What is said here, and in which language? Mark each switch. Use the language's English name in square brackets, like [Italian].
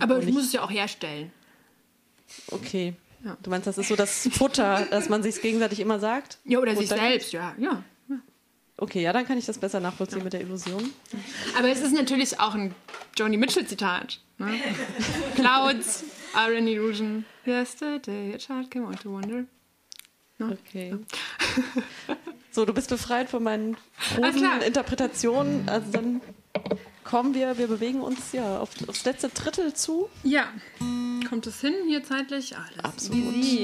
[German] Aber du musst es ja auch herstellen. Okay. Ja. Du meinst, das ist so das Futter, dass man sich gegenseitig immer sagt? Ja, oder sich selbst, ja. Okay, ja, dann kann ich das besser nachvollziehen mit der Illusion. Aber es ist natürlich auch ein Joni Mitchell-Zitat. Ne? [English] Clouds are an illusion. Yesterday a child came out to wonder. No? Okay. [German] So, du bist befreit von meinen großen Interpretationen. Also dann... Kommen wir bewegen uns ja aufs letzte Drittel zu. Ja, kommt es hin hier zeitlich? Alles. Absolut.